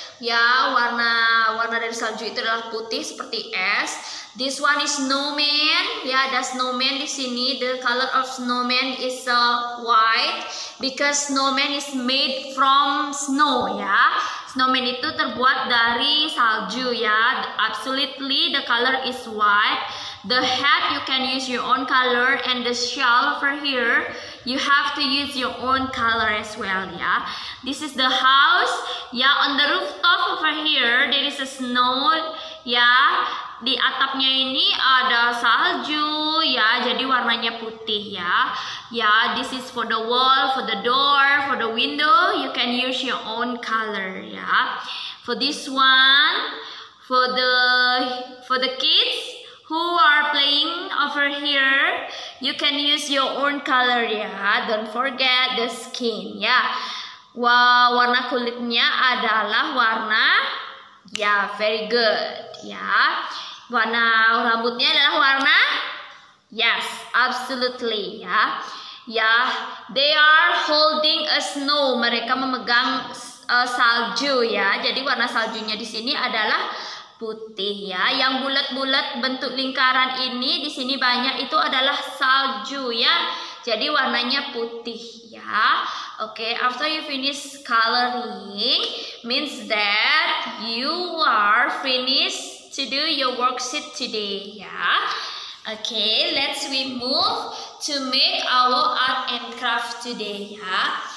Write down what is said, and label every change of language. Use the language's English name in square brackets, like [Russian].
[Indonesian] Ya, warna dari salju itu adalah putih seperti es. [English] This one is snowman. [Indonesian] Ya, ada snowman di sini. [English] The color of snowman is white because snowman is made from snow, ya. [Indonesian] Snowman itu terbuat dari salju ya. [English] Absolutely the color is white. The hat you can use your own color and the shell over here you have to use your own color as well ya. This is the house. Ya, on the rooftop over here there is a snow ya. [Indonesian] Di atapnya ini ada salju ya, jadi warnanya putih ya. [English] Ya, this is for the wall, for the door, for the window, you can use your own color ya. For this one, for the kids who are playing over here, you can use your own color ya. Don't forget the skin ya. [Indonesian] Wow, warna kulitnya adalah warna ya, [English] very good [Indonesian] ya. Warna rambutnya adalah warna? [English] Yes, absolutely [Indonesian] ya. [English] Ya, they are holding a snow. [Indonesian] Mereka memegang salju ya. Jadi warna saljunya di sini adalah putih ya. Yang bulat-bulat bentuk lingkaran ini di sini banyak itu adalah salju ya. Jadi warnanya putih ya. [English] Okay, after you finish coloring means that you are finished to do your worksheet today, yeah. Okay, let's we move to make our art and craft today, yeah.